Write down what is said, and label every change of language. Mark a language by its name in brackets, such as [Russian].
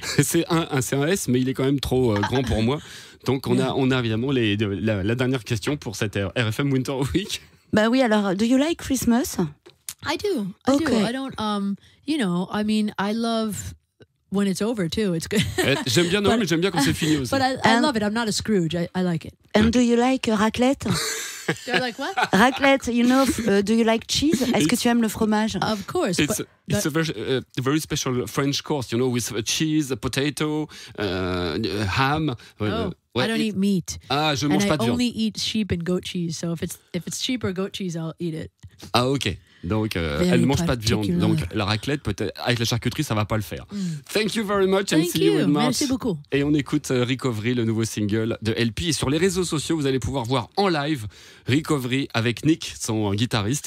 [French] C'est un S, mais il est quand même trop grand pour moi. Donc on a évidemment la dernière question pour cette RFM Winter Week. Bah oui, alors, [English] do you like Christmas? I do. I don't. You know, I mean, I love when it's over too. It's good. [French] J'aime bien Noël, mais j'aime bien quand c'est fini aussi. [English] But I love it. I'm not a Scrooge. I like it. And do you like raclette? They're like, what? Raclette, you know, do you like cheese? [French] Est-ce que tu aimes le fromage? [English] Of course. It's a very, very special French course, you know, with cheese, potato, ham. I don't eat meat. [French] Ah, je [English] and [French] mange [English] I [French] pas de viande. [English] And I only eat sheep and goat cheese. So if it's sheep or goat cheese, I'll eat it. [French] Ah, ok. Donc, elle ne mange pas de viande. Donc, la raclette, peut-être, avec la charcuterie, ça ne va pas le faire. [English] Thank you very much. Thank and see you. You in March. [French] Merci beaucoup. Et on écoute Recovery, le nouveau single de LP. Et sur les réseaux sociaux, vous allez pouvoir voir en live Recovery avec Nick, son guitariste.